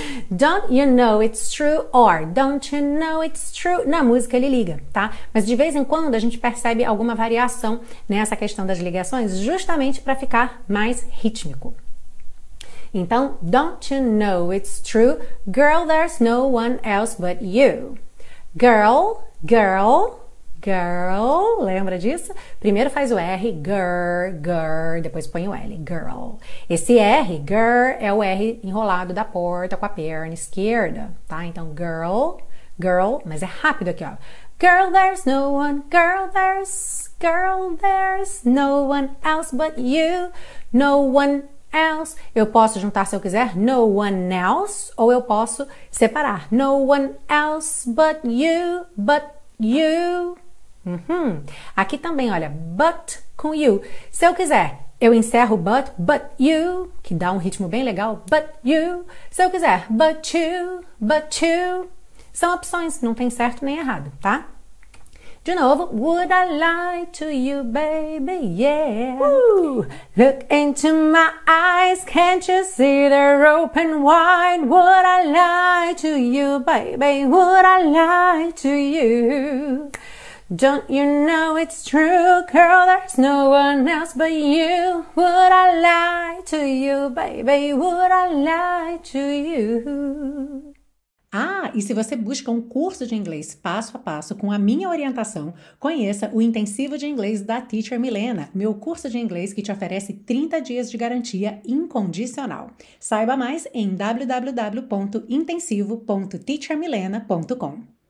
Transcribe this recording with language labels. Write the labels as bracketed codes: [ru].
[en] Don't you know it's true or don't you know it's true. [pt] Na música ele liga, tá? Mas de vez em quando a gente percebe alguma variação nessa questão das ligações justamente para ficar mais rítmico. Então, [en] don't you know it's true? Girl, there's no one else but you. Girl, girl, girl, [pt] lembra disso? Primeiro faz o R, girl, girl, depois põe o L, girl. Esse R, girl, é o R enrolado da porta com a perna esquerda, tá? Então, girl, girl, mas é rápido aqui, ó. [en] Girl, there's no one, girl, there's no one else but you. No one else. [pt] Eu posso juntar, se eu quiser, [en] no one else, [pt] ou eu posso separar. [en] No one else but you, but you. Uhum. [pt] Aqui também, olha, but com you. Se eu quiser, eu encerro [en] but you, [pt] que dá um ritmo bem legal, but you. Se eu quiser, [en] but you, [pt] são opções, não tem certo nem errado, tá? De novo, [en] would I lie to you, baby, yeah. Look into my eyes, can't you see they're open wide? Would I lie to you, baby, would I lie to you? Don't you know it's true, girl, there's no one else but you. Would I lie to you, baby, would I lie to you? [pt] Ah, e se você busca um curso de inglês passo a passo com a minha orientação, conheça o Intensivo de Inglês da Teacher Milena, meu curso de inglês que te oferece 30 dias de garantia incondicional. Saiba mais em www.intensivo.teachermilena.com.